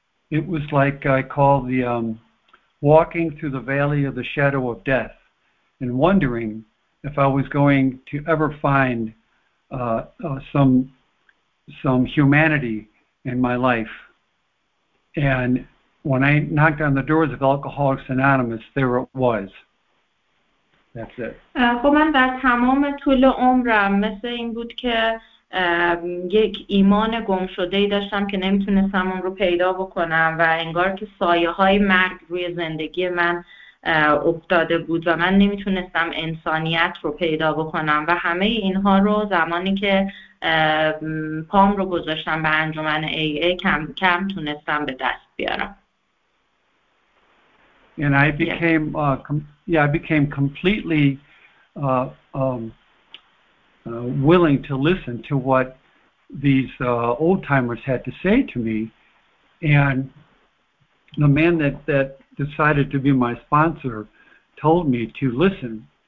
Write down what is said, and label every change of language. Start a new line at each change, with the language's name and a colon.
English: It was like I call the walking through the valley of the shadow of death and wondering if I was going to ever find some humanity in my life. And when I knocked on the doors of Alcoholics Anonymous, there it was. That's it.
Persian: خب من در تمام طول عمرم مثل این بود که یک ایمان گم شده ای داشتم که نمیتونستم اون رو پیدا بکنم و انگار که سایه های مرگ روی زندگی من افتاده بود و من نمیتونستم انسانیت رو پیدا بکنم و همه اینها رو زمانی که پام رو گذاشتم به انجمن AA کم کم تونستم به دست بیارم.
English: And I became, I became completely willing to listen to what these old timers had to say to me. And the man that decided to be my sponsor told me to listen.